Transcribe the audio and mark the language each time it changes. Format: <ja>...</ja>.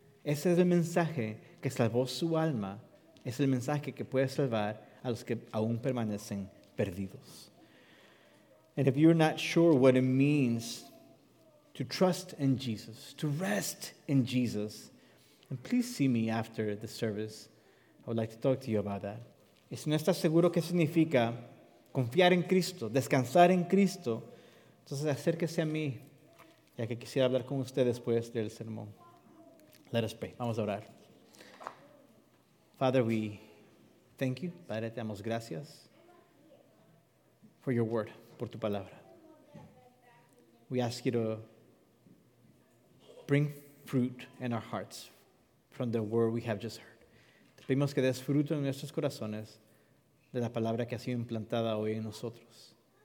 <es>Ese es el mensaje que salvó su alma. Es el mensaje que puede salvar a los que aún permanecen perdidos.</es> <en>And if you're not sure what it means to trust in Jesus, to rest in Jesus, then please see me after the service. I would like to talk to you about that.</en> <es>Y si no estás seguro qué significa confiar en Cristo, descansar en Cristo, entonces acérquese a mí, ya que quisiera hablar con usted después del sermón.</es> <en>Let us pray.</en> <es>Vamos a orar.</es> <en>Father, we thank you.</en> <es>Padre, te damos gracias</es> <en>for your word,</en> <es>por tu palabra.</es> <en>We ask you to bring fruit in our hearts from the word we have just heard.</en> <es>Te pedimos que des fruto en nuestros corazones de la palabra que ha sido implantada hoy en nosotros.</es>